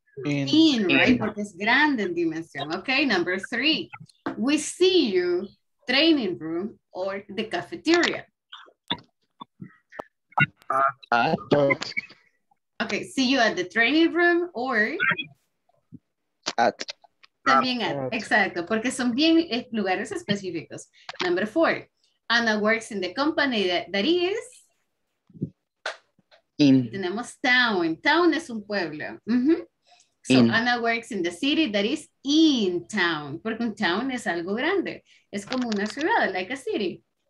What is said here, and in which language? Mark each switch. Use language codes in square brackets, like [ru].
[es] right? Porque es grande en dimensión. [en] Okay, number three, we see you training room or the cafeteria. At. Okay, see you at the training room or? At. [es] También at, exacto, porque son bien lugares específicos. [en] Number four, Anna works in the company that is in. [es] Tenemos town. Town es un pueblo. Mm-hmm. [en] So in. Anna works in the city that is in town, [es] porque un town es algo grande. Es como una ciudad, [en] like a city.